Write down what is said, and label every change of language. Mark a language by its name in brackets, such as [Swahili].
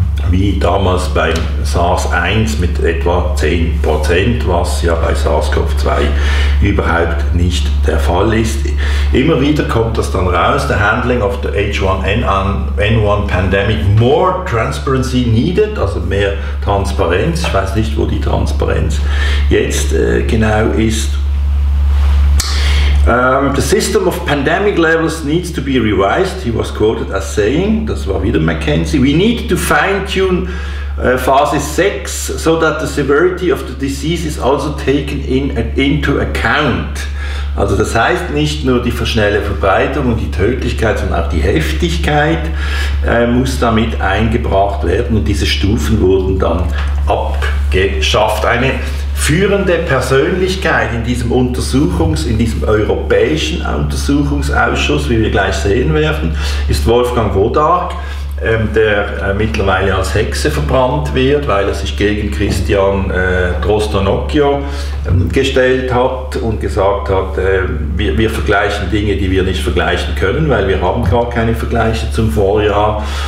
[German] wie damals beim SARS-1 mit etwa 10%, was ja bei SARS-CoV-2 überhaupt nicht der Fall ist. Immer wieder kommt das dann raus, [English] the handling of the H1N1 pandemic, more transparency needed, [German] also mehr Transparenz. Ich weiß nicht, wo die Transparenz jetzt genau ist. [English] The system of pandemic levels needs to be revised, he was quoted as saying, [German] das war wieder McKenzie, [English] we need to fine-tune Phase 6, so that the severity of the disease is also taken into account. [German] Also das heißt, nicht nur die schnelle Verbreitung und die Tödlichkeit, sondern auch die Heftigkeit muss damit eingebracht werden und diese Stufen wurden dann abgeschafft. Eine führende Persönlichkeit in diesem europäischen Untersuchungsausschuss, wie wir gleich sehen werden, ist Wolfgang Wodarg, der mittlerweile als Hexe verbrannt wird, weil er sich gegen Christian Trostanocchio gestellt hat und gesagt hat, wir vergleichen Dinge, die wir nicht vergleichen können, weil wir haben gar keine Vergleiche zum Vorjahr.